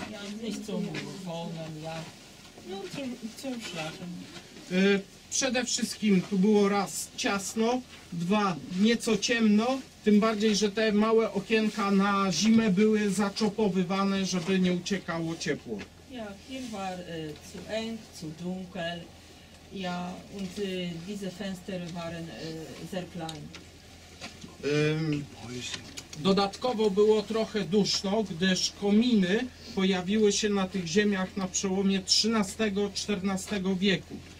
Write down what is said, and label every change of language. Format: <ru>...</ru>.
<de>Ja nicht zum Wohnen, ja nur zum Schlafen.</de> <pl>Przede wszystkim tu było raz ciasno, dwa nieco ciemno, tym bardziej, że te małe okienka na zimę były zaczopowywane, żeby nie uciekało ciepło.</pl> <de>Ja, hier war zu eng, zu dunkel, ja, und diese Fenster waren sehr klein.</de> <pl>Dodatkowo było trochę duszno, gdyż kominy pojawiły się na tych ziemiach na przełomie XIII-XIV wieku.</pl>